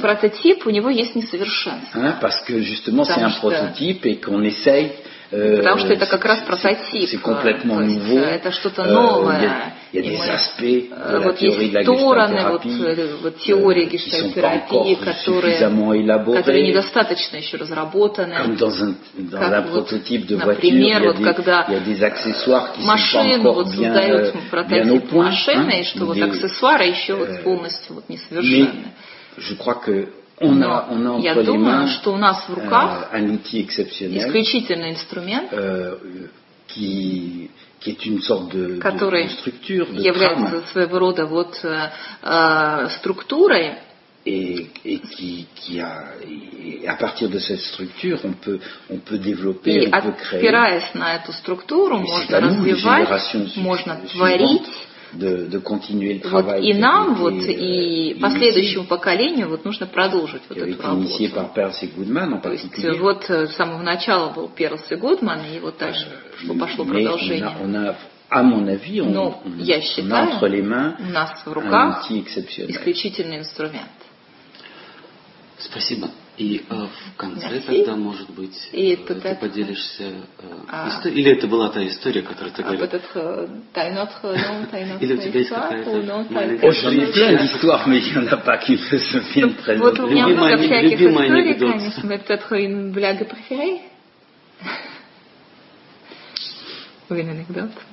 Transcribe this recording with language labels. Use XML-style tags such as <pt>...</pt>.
<ru>Прототип, у него есть несовершенство.</ru> <fr>Hein, parce que, justement, c'est un prototype et qu'on essaye...</fr> <ru>Потому что это как раз прототип.</ru> <fr>C'est complètement nouveau.</fr> <ru>Это что-то новое.</ru> <fr>Il y a des aspects de la théorie de la gestalt-thérapie qui sont pas encore suffisamment élaborés.</fr> <ru>Которые недостаточно еще разработаны.</ru> <fr>Comme dans un prototype de voiture, il y a des accessoires qui sont pas encore bien au point.</fr> <ru>Машины, что вот аксессуары еще вот полностью вот несовершенны.</ru> <fr>Je crois que on a entre</fr> <ru>я думаю,</ru> <fr>les mains,</fr> <ru>что у нас в руках</ru> <fr>un outil exceptionnel,</fr> <ru>исключительный инструмент,</ru> <fr>qui est une sorte de structure, de</fr> <ru>является</ru> <fr>trame,</fr> <ru>своего рода вот структурой.</ru> <fr>Et à partir de cette structure, on peut développer, et on peut créer.</fr> <ru>Опираясь на эту структуру,</ru> <fr>et</fr> <ru>можно развивать, можно творить.</ru> <fr>De continuer le travail.</fr> <ru>Вот, и нам, вот, и последующему поколению вот, нужно продолжить вот эту работу.</ru> <fr>Initié par Perls et Goodman, en particulier.</fr> <ru>То есть, вот с самого начала был Перлс и Гудман, и вот дальше пошло продолжение.</ru> <fr>À mon avis,</fr> <ru>я считаю,</ru> <fr>entre les mains,</fr> <ru>у нас в руках исключительный инструмент. Спасибо. И в конце тогда, может быть, и ты поделишься... Или это была та история, которую ты говорил? Или у тебя есть какая-то любимая анекдот? Вот у меня много всяких историй, конечно. Может,</ru> <fr>une anecdote.</fr>